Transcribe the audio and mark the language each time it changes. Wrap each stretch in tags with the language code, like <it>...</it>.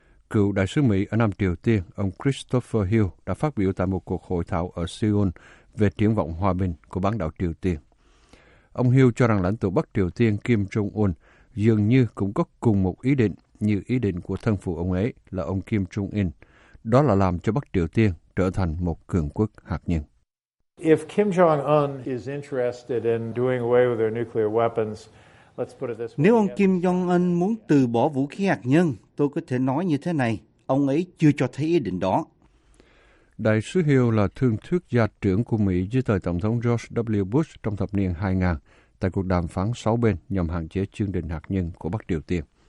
<vi>Cựu đại sứ Mỹ ở Nam Triều Tiên, ông Christopher Hill, đã phát biểu tại một cuộc hội thảo ở Seoul về triển vọng hòa bình của bán đảo Triều Tiên. Ông Hill cho rằng lãnh tụ Bắc Triều Tiên Kim Jong-un dường như cũng có cùng một ý định như ý định của thân phụ ông ấy là ông Kim Jong-un, đó là làm cho Bắc Triều Tiên trở thành một cường quốc hạt nhân.</vi> <en>If Kim Jong-un is interested in doing away with their nuclear weapons, let's put it this way.</en> <vi>Nếu ông Kim Jong-un muốn từ bỏ vũ khí hạt nhân, tôi có thể nói như thế này, ông ấy chưa cho thấy ý định đó. Đại sứ Hill là thương thuyết gia trưởng của Mỹ dưới thời Tổng thống George W. Bush trong thập niên 2000 tại cuộc đàm phán 6 bên nhằm hạn chế chương trình hạt nhân của Bắc Triều Tiên.</vi>